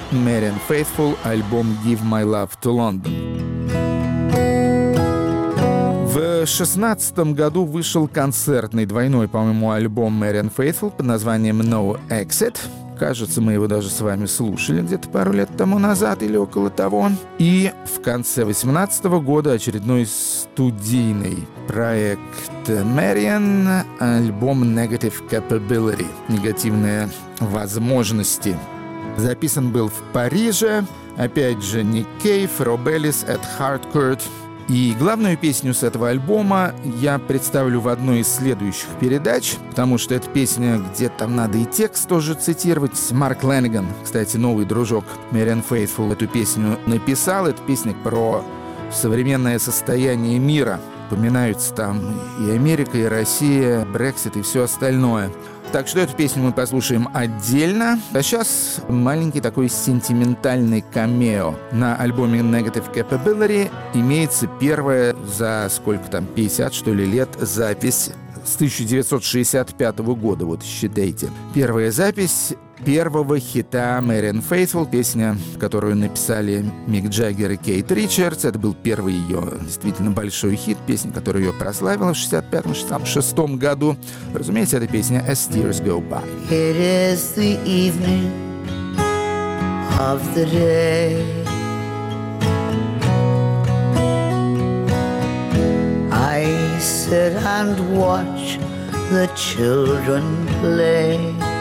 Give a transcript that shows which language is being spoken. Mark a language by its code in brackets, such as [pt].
[ru] Marian Faithfull, альбом Give My Love to London. В 16-м году вышел концертный двойной, по-моему, альбом Marian Faithfull под названием No Exit. Кажется, мы его даже с вами слушали где-то пару лет тому назад или около того. И в конце 18-го года очередной студийный проект Marian, альбом Negative Capability. Негативные возможности. Записан был в Париже. Опять же, Nick Cave, Rob Ellis at Hardcore. И главную песню с этого альбома я представлю в одной из следующих передач, потому что эта песня, где там надо и текст тоже цитировать. Марк Ленниган, кстати, новый дружок Marian Faithfull, эту песню написал. Это песня про современное состояние мира. Упоминаются там и Америка, и Россия, Brexit и все остальное. Так что эту песню мы послушаем отдельно. А сейчас маленький такой сентиментальный камео. На альбоме Negative Capability имеется первая за сколько там, 50 что ли лет, запись с 1965 года. Вот считайте. Первая запись первого хита Marianne Faithfull, песня, которую написали Мик Джаггер и Кейт Ричардс. Это был первый ее действительно большой хит, песня, которая ее прославила в 65-66 году. Разумеется, эта песня «As Tears Go By». [en] It is the evening of the day. I sit and watch the children play.